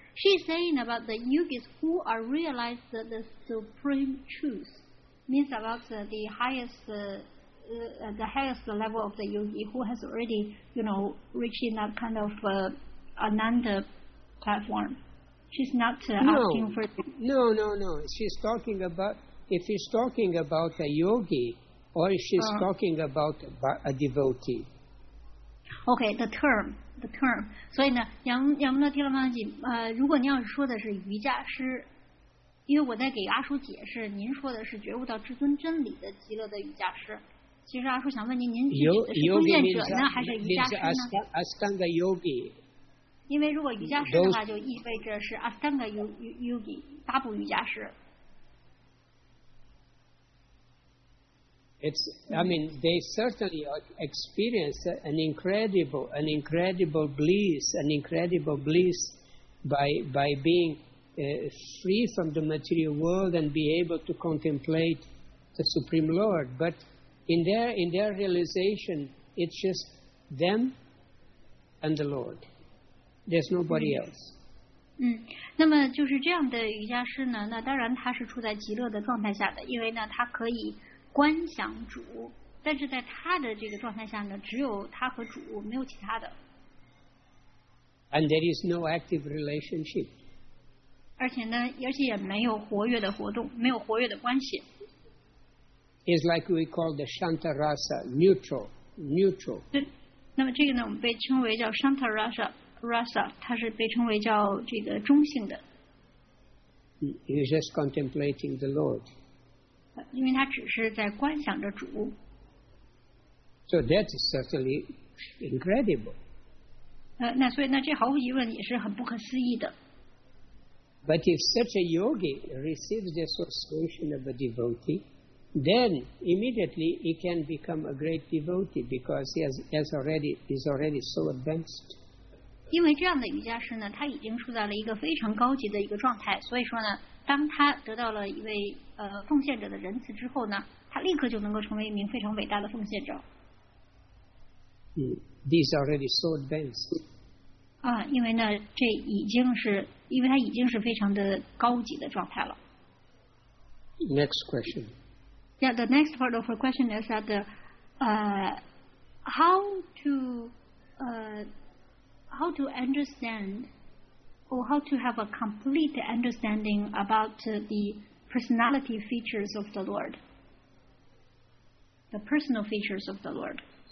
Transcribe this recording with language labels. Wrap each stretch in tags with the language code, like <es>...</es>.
<en>She's saying about the yogis who are realized the supreme truth, means about the highest level of the yogi who has already, you know, reaching that kind of Ananda platform. She's not asking for. No. She's talking about, if she's talking about a yogi or if she's talking about a devotee. Okay, the term.</en> <zh>所以呢，杨木勒提拉玛吉，如果您要是说的是瑜伽师，因为我在给阿叔解释，您说的是觉悟到至尊真理的极乐的瑜伽师。其实阿叔想问您，您是中间者呢，还是瑜伽师呢？阿斯坦格瑜伽。因为如果瑜伽师的话，就意味着是阿斯坦格瑜伽，大部瑜伽师。</zh> <en>They certainly experience an incredible bliss by being free from the material world and be able to contemplate the Supreme Lord. But in their realization, it's just them and the Lord. There's nobody else.</en> <zh>那么就是这样的瑜伽师呢，那当然他是处在极乐的状态下的，因为呢他可以观想主，但是在他的这个状态下呢，只有他和主，没有其他的。</zh> <en>And there is no active relationship.</en> <zh>而且呢，而且也没有活跃的活动，没有活跃的关系。</zh> <en>It's like we call the Shantarasa, neutral.</en> <zh>对，那么这个呢，我们被称为叫 Shantarasa, 它是被称为叫这个中性的。</zh> <en>You're just contemplating the Lord.</en> <zh>因为他只是在观想着主。</zh> <en>So that is certainly incredible.</en> <zh>那所以那这毫无疑问也是很不可思议的。</zh> <en>But if such a yogi receives the association of a devotee, then immediately he can become a great devotee because he is already so advanced.</en> <zh>因为这样的瑜伽师呢，他已经处在了一个非常高级的一个状态，所以说呢。当他得到了一位奉献者的仁慈之后呢，他立刻就能够成为一名非常伟大的奉献者。</zh> <en>These are already so advanced.</en> <zh>啊，因为呢，这已经是因为他已经是非常的高级的状态了。</zh> <en>Next question. Yeah, the next part of her question is that, how to understand. Or how to have a complete understanding about the personality features of the Lord, the personal features of the Lord.</en>